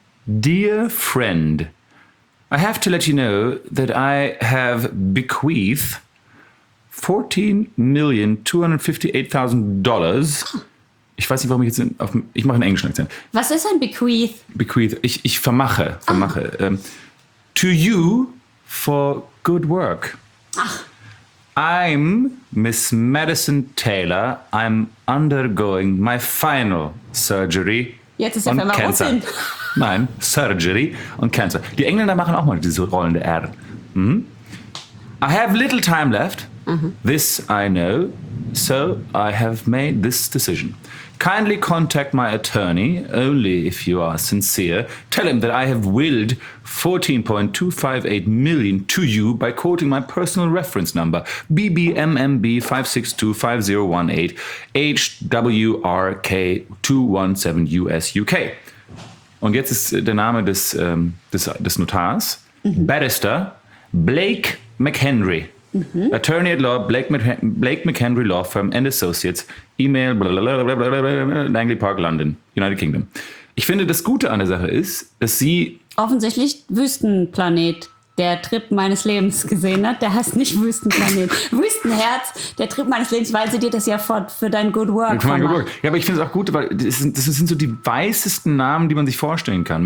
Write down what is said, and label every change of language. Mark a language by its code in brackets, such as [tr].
[en] Dear friend, I have to let you know that I have bequeathed $14,258,000. [de] Ich weiß nicht, warum ich jetzt ich mache einen englischen Akzent. Was ist ein bequeath? [en] Bequeath. [de] Ich vermache. Vermache. [en] To you for good work. [de] Ach. [en] I'm Miss Madison Taylor. I'm undergoing my final surgery. [de] Jetzt ist er verwirrt. Nein, Surgery und Cancer. Die Engländer machen auch mal diese rollende R. [en] Mhm. I have little time left. Mhm. This I know. So I have made this decision. Kindly contact my attorney only if you are sincere. Tell him that I have willed 14.258 million to you by quoting my personal reference number BBMMB 562 5018 HWRK 217 US UK. [de] Und jetzt ist der Name des Notars, mhm. [en] Barrister Blake McHenry. Mm-hmm. Attorney at Law, Blake McHenry Law Firm and Associates, E-Mail, Langley Park, London, United Kingdom. [de] Ich finde, das Gute an der Sache ist, dass sie... Offensichtlich Wüstenplanet, der Trip meines Lebens gesehen hat. Der heißt nicht Wüstenplanet, Wüstenherz, der Trip meines Lebens, weil sie dir das ja für dein Good Work gemacht. Ja, aber ich finde es auch gut, weil das sind so die weißesten Namen, die man sich vorstellen kann.